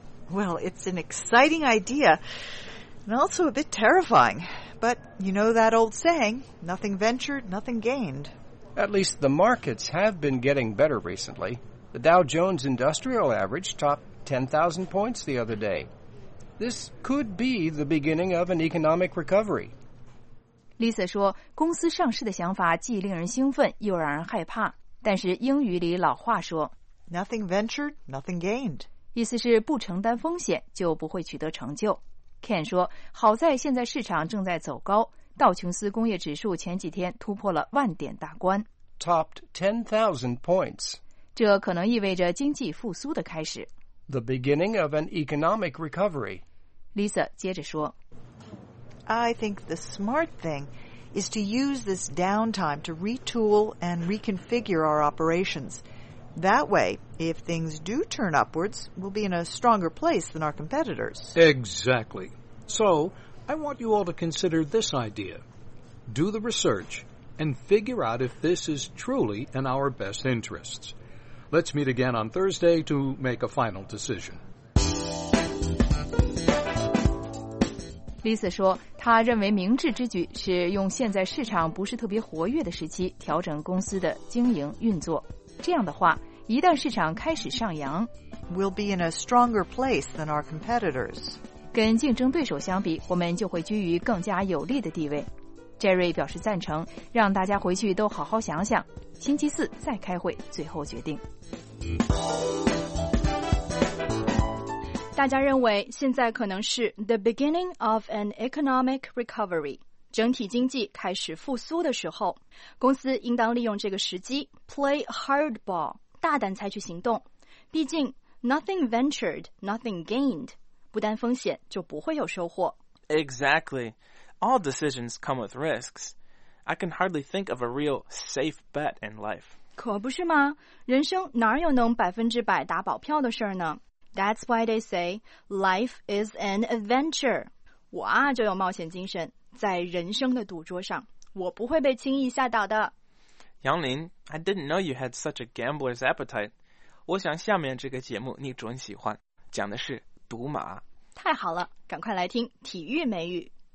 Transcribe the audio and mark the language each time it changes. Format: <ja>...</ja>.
<en>Well, it's an exciting idea and also a bit terrifyingBut you know that old saying, nothing ventured, nothing gained. At least the markets have been getting better recently. The Dow Jones Industrial Average topped 10,000 points the other day. This could be the beginning of an economic recovery.</en> <zh>Lisa 说公司上市的想法既令人兴奋又让人害怕，但是英语里老话说</zh> <en>Nothing ventured, nothing gained，</en> <zh>意思是不承担风险就不会取得成就。 Ken 说好在现在市场正在走高，道琼斯工业指数前几天突破了万点大关</zh> <en>topped 10,000 points，</en> <zh>这可能意味着经济复苏的开始。</zh> <en>The beginning of an economic recovery，</en> <zh>Lisa 接着说</zh> <en>I think the smart thing is to use this downtime to retool and reconfigure our operations. That way, if things do turn upwards, we'll be in a stronger place than our competitors. Exactly. So, I want you all to consider this idea. Do the research and figure out if this is truly in our best interests. Let's meet again on Thursday to make a final decision.</en> <zh>Lisa 说他认为明智之举是用现在市场不是特别活跃的时期调整公司的经营运作，这样的话一旦市场开始上扬</zh> <en>We'll be in a stronger place than our competitors，</en> <zh>跟竞争对手相比我们就会居于更加有利的地位。 Jerry 表示赞成，让大家回去都好好想想，星期四再开会最后决定。大家认为现在可能是</zh> <en>the beginning of an economic recovery，</en> <zh>整体经济开始复苏的时候，公司应当利用这个时机</zh> <en>play hardball，</en> <zh>大胆采取行动。毕竟</zh> <en>nothing ventured, nothing gained，</en> <zh>不担风险就不会有收获。</zh> <en>Exactly. All decisions come with risks. I can hardly think of a real safe bet in life.</en> <zh>可不是吗？人生哪有能100%打保票的事儿呢？</zh> <en>That's why they say life is an adventure.</en> <zh>我啊就有冒险精神，在人生的赌桌上，我不会被轻易吓倒的。</zh> <en>杨林 ，I didn't know you had such a gambler's appetite.</en> <zh>我想下面这个节目你准喜欢，讲的是赌马。太好了，赶快来听体育美语。</zh>